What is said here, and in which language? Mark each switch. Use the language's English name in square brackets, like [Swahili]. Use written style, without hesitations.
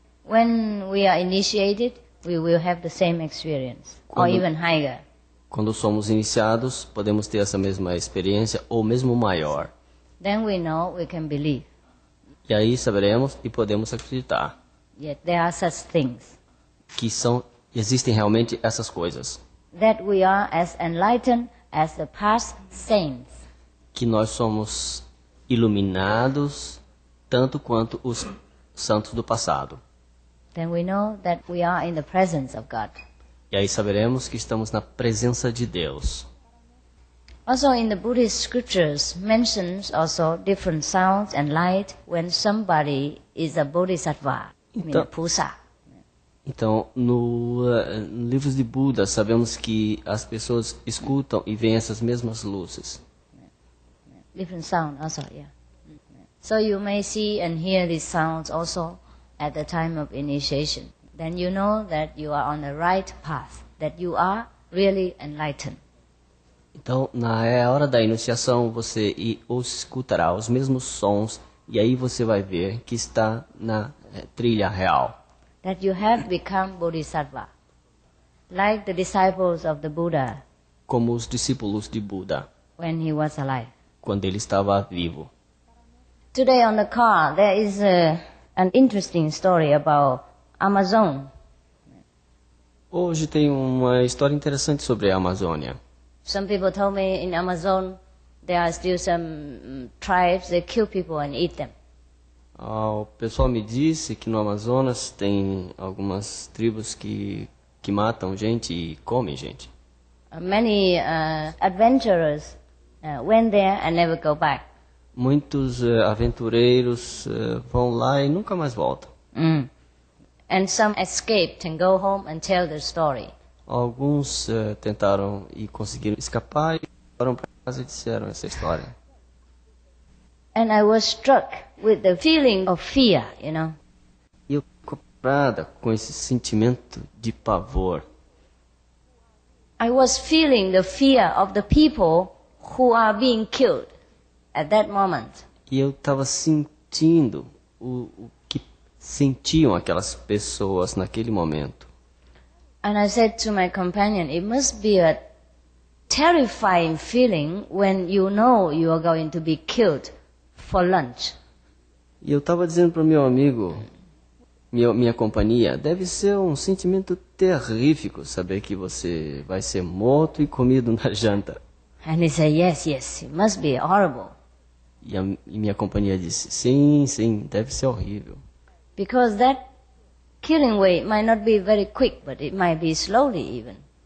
[English] When we are initiated, we will have the same experience, or even higher. [Portuguese] Quando somos iniciados, podemos ter essa mesma experiência ou mesmo maior. [English] Then we know we can believe. [Portuguese] E aí saberemos e podemos acreditar. [English] Yet there are such things. [Portuguese] Que são existem realmente essas coisas. [English] That we are as enlightened as the past saints. [Portuguese] Que nós somos iluminados tanto quanto os santos do passado. [English] Then we know that we are in the presence of God. [Portuguese] E aí saberemos que estamos na presença de Deus. [English] Also in the Buddhist scriptures mentions also different sounds and light when somebody is a bodhisattva, [Portuguese] então, [Chinese] a pusa. [Portuguese] Então, no livros de Buda, sabemos que as pessoas escutam e veem essas mesmas luzes. [English] Different sound also, yeah. So you may see and hear these sounds also at the time of initiation. Then you know that you are on the right path, that you are really enlightened. [Portuguese] Então, na hora da iniciação, você escutará os mesmos sons e aí você vai ver que está na trilha real. [English] That you have become bodhisattva, like the disciples of the Buddha. [Portuguese] Como os discípulos de Buda. [English] When he was alive. [Portuguese] Quando ele estava vivo. [English] Today on the car, there is an interesting story about Amazon. [Portuguese] Hoje tem uma história interessante sobre a Amazônia. [English] Some people told me in Amazon there are still some tribes that kill people and eat them. [Portuguese] O pessoal me disse que no Amazonas tem algumas tribos que matam gente e comem gente. [English] Many adventurers went there and never go back. [Portuguese] Muitos aventureiros vão lá e nunca mais voltam. Mm. [English] And some escaped and go home and tell the story. [Portuguese] Alguns tentaram e conseguiram escapar e foram para casa e disseram essa história. [English] And I was struck with the feeling of fear, you know. [Portuguese] E eu fico preocupada com esse sentimento de pavor. [English] I was feeling the fear of the people who are being killed at that moment. [Portuguese] E eu estava sentindo o que sentiam aquelas pessoas naquele momento. [English] And I said to my companion, it must be a terrifying feeling when you know you are going to be killed for lunch. [Portuguese] E eu estava dizendo para meu amigo, minha companhia, deve ser um sentimento terrífico saber que você vai ser morto e comido na janta. [English] And he said, yes, yes, it must be horrible. [Portuguese] E minha companhia disse, sim, sim, deve ser horrível. [English] Because that killing way might not be very quick, but it might be slowly even.